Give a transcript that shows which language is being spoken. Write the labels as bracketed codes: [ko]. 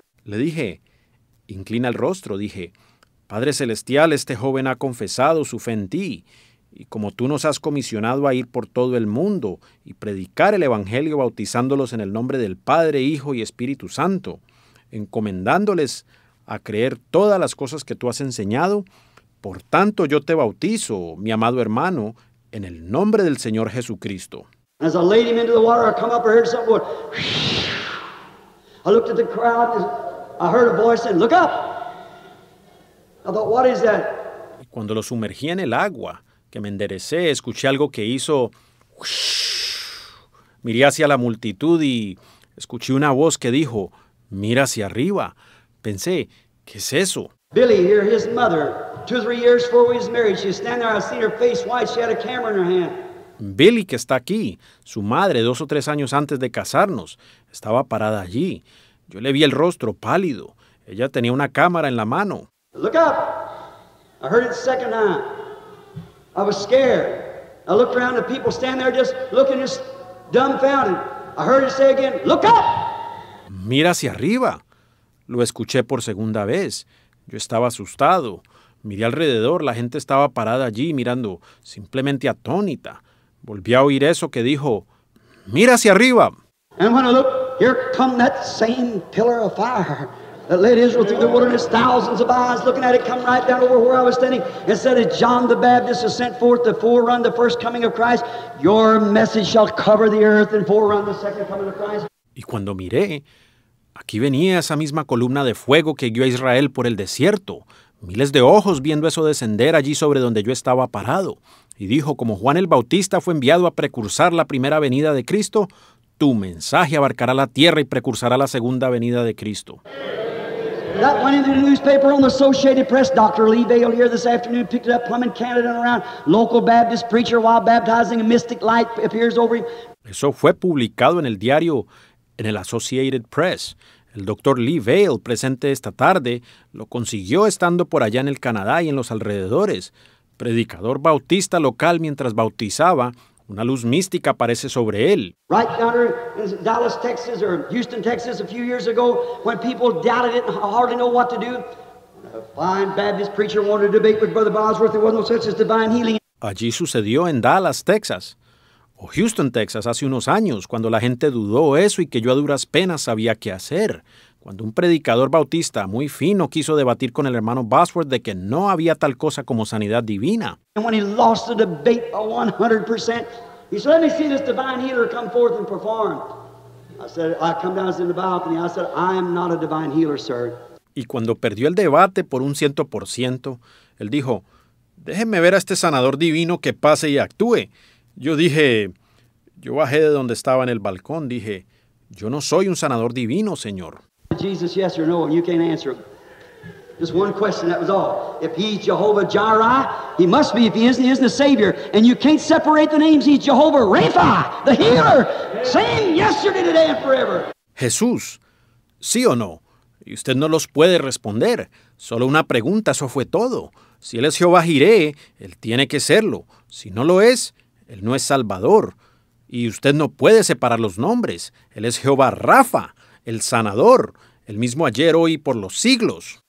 [es] Le dije, inclina el rostro, dije, Padre Celestial, este joven ha confesado su fe en ti, y como tú nos has comisionado a ir por todo el mundo y predicar el Evangelio bautizándolos en el nombre del Padre, Hijo y Espíritu Santo, encomendándoles a creer todas las cosas que tú has enseñado, por tanto yo te bautizo, mi amado hermano, en el nombre del Señor Jesucristo. [en] As I laid him into the water, I come up, I heard something going, I looked at the crowd, I heard a voice say, look up. I thought, what is that? [es] Y cuando lo sumergí en el agua, que me enderecé, escuché algo que hizo, miré hacia la multitud y escuché una voz que dijo, mira hacia arriba. Pensé, ¿qué es eso? [en] Billy, here, his mother, 2 or 3 years before we was married, she was standing there, I seen her face white, she had a camera in her hand. [es] Billy, que está aquí, su madre, 2 o 3 años antes de casarnos, estaba parada allí. Yo le vi el rostro pálido. Ella tenía una cámara en la mano. [en] Look up. I heard it the second time. I was scared. I looked around, the people standing there just looking, just dumbfounded. I heard it say again, look up. [es] Mira hacia arriba. Lo escuché por segunda vez. Yo estaba asustado. Miré alrededor. La gente estaba parada allí mirando, simplemente atónita. Volví a oír eso que dijo, mira hacia arriba. [en] And when I looked, here come that same pillar of fire that led Israel through the wilderness, thousands of eyes looking at it, come right down over where I was standing, and said that John the Baptist has sent forth to forerun the first coming of Christ. Your message shall cover the earth and forerun the second coming of Christ. [es] Y cuando miré, aquí venía esa misma columna de fuego que guió a Israel por el desierto. Miles de ojos viendo eso descender allí sobre donde yo estaba parado. Y dijo, como Juan el Bautista fue enviado a precursar la primera venida de Cristo, tu mensaje abarcará la tierra y precursará la segunda venida de Cristo. [en] That went into the newspaper on the Associated Press. Dr. Lee Vail here this afternoon picked it up, plumbing Canada and around. Local Baptist preacher while baptizing a mystic light appears over him. [es] Eso fue publicado en el diario, en el Associated Press. El Dr. Lee Vail, presente esta tarde, lo consiguió estando por allá en el Canadá y en los alrededores. Predicador bautista local mientras bautizaba, una luz mística aparece sobre él. [en] Right down there in Dallas, Texas, or Houston, Texas, a few years ago, when people doubted it and hardly know what to do, a fine Baptist preacher wanted to debate with Brother Bosworth. There was no such as divine healing. [es] Allí sucedió en Dallas, Texas, o Houston, Texas, hace unos años, cuando la gente dudó eso y que yo a duras penas sabía qué hacer. Cuando un predicador bautista muy fino quiso debatir con el hermano Bosworth de que no había tal cosa como sanidad divina. [en] And when he lost the debate by 100%, he said, let me see this divine healer come forth and perform. I said, I come down in the balcony. I said, I am not a divine healer, sir. [es] Y cuando perdió el debate por 100%, él dijo, déjenme ver a este sanador divino que pase y actúe. Yo dije, yo bajé de donde estaba en el balcón, dije, yo no soy un sanador divino, señor. [en] Jesus, yes or no, and you can't answer him. Just one question, that was all. If he's Jehovah Jireh, he must be. If he isn't, he isn't a savior. And you can't separate the names. He's Jehovah Rapha, the healer. Same yesterday, today, and forever. [es] Jesús, sí o no. Y usted no los puede responder. Solo una pregunta, eso fue todo. Si él es Jehová Jireh, él tiene que serlo. Si no lo es, él no es Salvador. Y usted no puede separar los nombres. Él es Jehová Rapha. El sanador, el mismo ayer, hoy y por los siglos.